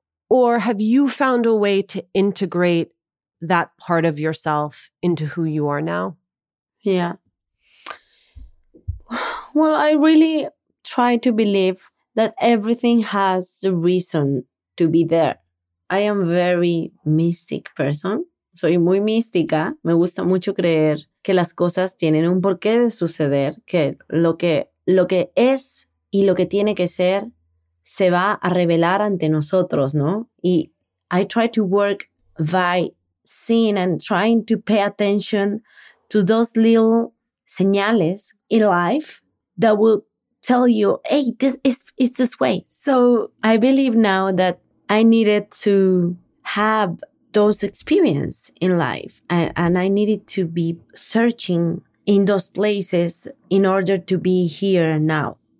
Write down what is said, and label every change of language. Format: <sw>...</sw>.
<en>Or have you found a way to integrate that part of yourself into who you are now? Yeah. Well, I really try to believe that everything has a reason to be there. I am a very mystic person.</en> <es>Soy muy mística. Me gusta mucho creer que las cosas tienen un porqué de suceder, que lo que es y lo que tiene que ser se va a revelar ante nosotros, ¿no?</es> <en>Y I try to work by seeing and trying to pay attention to those little señales in life that will tell you, hey, this is this way. So I believe now that I needed to have those experience in life, and I needed to be searching in those places in order to be here now.</en>